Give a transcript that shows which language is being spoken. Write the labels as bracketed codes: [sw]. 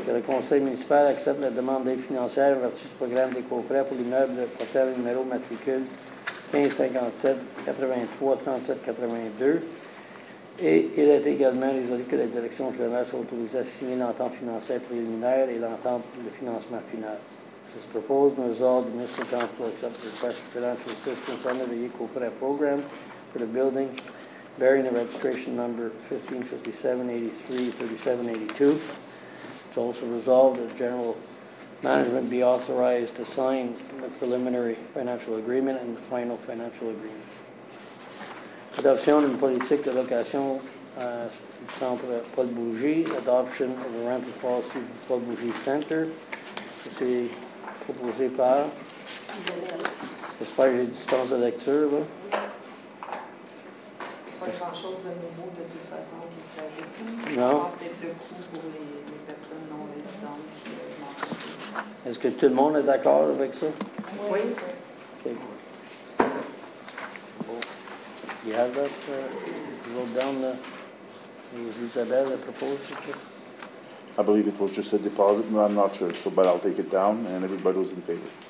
[fr] Que le conseil municipal accepte la demande d'aide financière en vertu du programme EcoPrêt pour l'immeuble de portail numéro matricule 1557-83-3782. Et il est également résolu que la direction générale soit autorisée à signer l'entente financière préliminaire et l'entente de financement final. [en] This proposal is resolved. The municipal council will accept the request for financial assistance under the EcoPrêt program for the building bearing the registration number 1557-83-3782. It's also resolved that general management be authorized to sign the preliminary financial agreement and the final financial agreement. [fr] Adoption d'une politique de location du centre Paul Bourget, [en] adoption of a rental policy for Paul Bourget Center. [fr] C'est proposé par. J'espère que j'ai dispense de lecture. Là. Pas grand-chose de nouveau de toute façon qui s'ajoute. Non. Peut-être le coût pour les personnes non résidentes. Est-ce que tout le monde est d'accord avec ça? Oui. [en] Okay. You have that wrote down the it was Isabelle that proposed it. I believe it was just a deposit, but I'm not sure, so but I'll take it down and everybody was in favor.